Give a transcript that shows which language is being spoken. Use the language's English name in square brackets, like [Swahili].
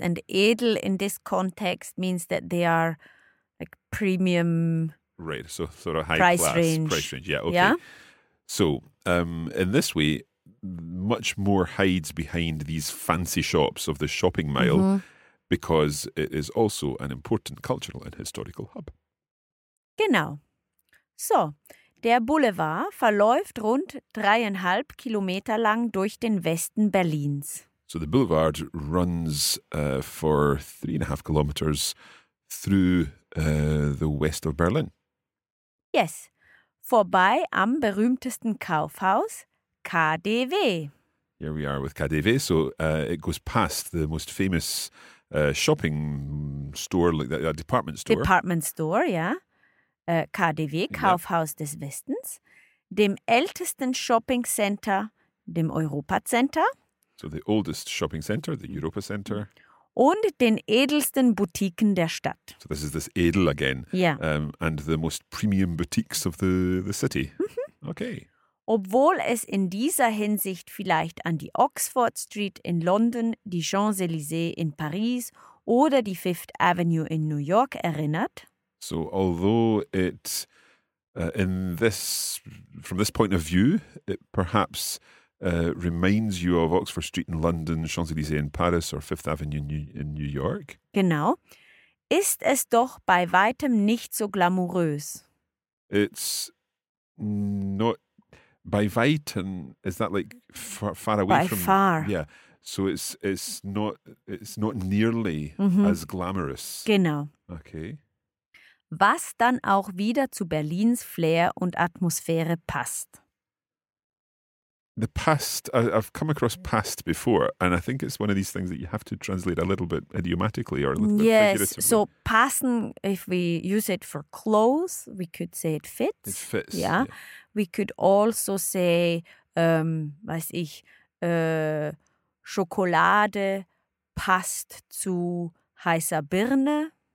[English] And edel in this context means that they are like premium. Right, so sort of high price class range. Price range, yeah, okay. Yeah? So, in this way, much more hides behind these fancy shops of the shopping mile because it is also an important cultural and historical hub. [German] Genau. So, der Boulevard verläuft rund 3,5 Kilometer lang durch den Westen Berlins. [English] So the boulevard runs for 3.5 kilometers through the west of Berlin. Yes, [German] vorbei am berühmtesten Kaufhaus, KDW. [English] Here we are with KDW. So it goes past the most famous shopping store, like a department store. Department store, [German] ja. KDW, Kaufhaus des Westens. Dem ältesten Shopping Center, dem Europa Center. [English] So the oldest shopping center, the Europa Center. [German] Und den edelsten Boutiquen der Stadt. [English] So this is this edel again. Yeah. And the most premium boutiques of the city. Okay. [German] Obwohl es in dieser Hinsicht vielleicht an die Oxford Street in London, die Champs-Élysées in Paris oder die Fifth Avenue in New York erinnert. [English] So although it, in this, from this point of view, it perhaps reminds you of Oxford Street in London, Champs-Élysées in Paris, or Fifth Avenue in New York. [German] Genau. ist es doch bei weitem nicht so glamourös. [English] It's not by [German] weitem. [English] Is that like far away by from? By far. Yeah. So it's not nearly as glamorous. [German] Genau. [English] Okay. [German] Was dann auch wieder zu Berlins Flair und Atmosphäre passt. [English] The past, I've come across past before, and I think it's one of these things that you have to translate a little bit idiomatically or a little yes. bit figuratively. Yes, so passen, if we use it for clothes, we could say it fits. It fits, yeah. Yeah. We could also say, [German] weiß ich, Schokolade passt zu heißer Birne.